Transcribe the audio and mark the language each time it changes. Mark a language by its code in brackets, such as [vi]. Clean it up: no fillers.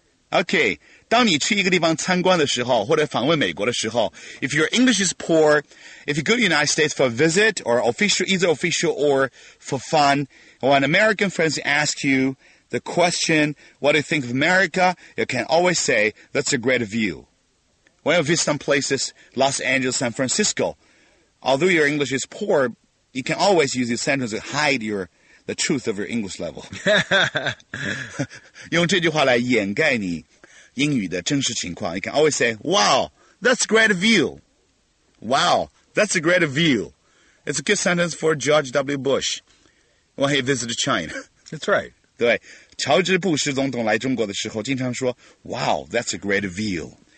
[en] Okay, [zh] 当你去一个地方参观的时候或者访问美国的时候 [en] if your English is poor, if you go to the United States for a visit or official, either official or for fun, when American friends ask you the question, what do you think of America? You can always say, that's a great view. When you visit some places, Los Angeles, San Francisco, although your English is poor, you can always use this sentence to hide the truth of your English level. [zh] 用这句话来掩盖你英语的真实情况。 [en] You can always say, wow, that's a great view. Wow, that's a great view. It's a good sentence for George W. Bush when he visited China. That's right. [zh] 对，乔治·布什总统来中国的时候经常说 [en] wow, that's a great view.